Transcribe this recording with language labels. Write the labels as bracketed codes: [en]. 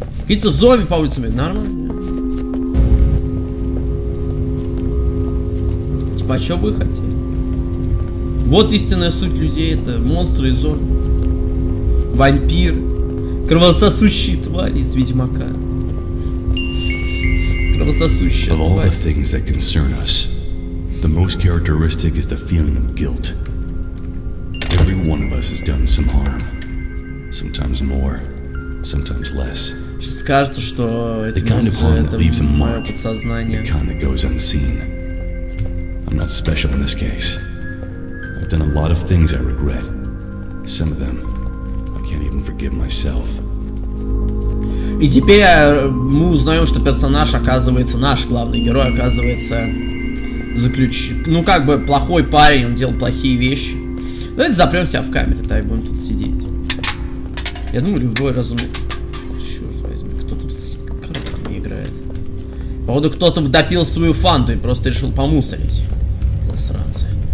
[ru] Какие-то зомби по улице бегают. Нормально. Типа, а что бы вы хотели? Вот истинная суть людей. Это монстры и зомби. Вампиры. Кровососущие твари из Ведьмака. [en] Of all the things that concern us, the most characteristic is the feeling of guilt. Every one of us has done some harm. Sometimes more, sometimes less. [ru] Сейчас кажется, что это мое подсознание. [en] It kind of goes unseen. I'm not special in this case. I've done a lot of things I regret. Some of them I can't even forgive myself. [ru] И теперь мы узнаем, что персонаж, оказывается, наш главный герой, оказывается, ну, как бы, плохой парень, он делал плохие вещи. Давайте запрем себя в камере, так, будем тут сидеть. Я думаю, любой разумный... Черт возьми, кто там с коробками играет? Походу, кто-то допил свою фанту и просто решил помусорить. Засранцы.